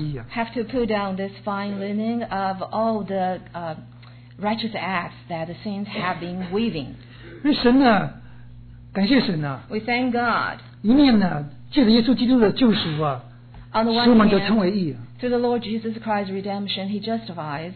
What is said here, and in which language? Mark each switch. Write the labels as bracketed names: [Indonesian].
[English] have to put down this fine linen of all the righteous acts that the saints have been weaving. [Chinese] 因为神呢, 感谢神呢, [English] we thank God. [Chinese] 一面呢, 借着耶稣基督的救赎啊, [English] on the one hand, through the Lord Jesus Christ's redemption, he justifies.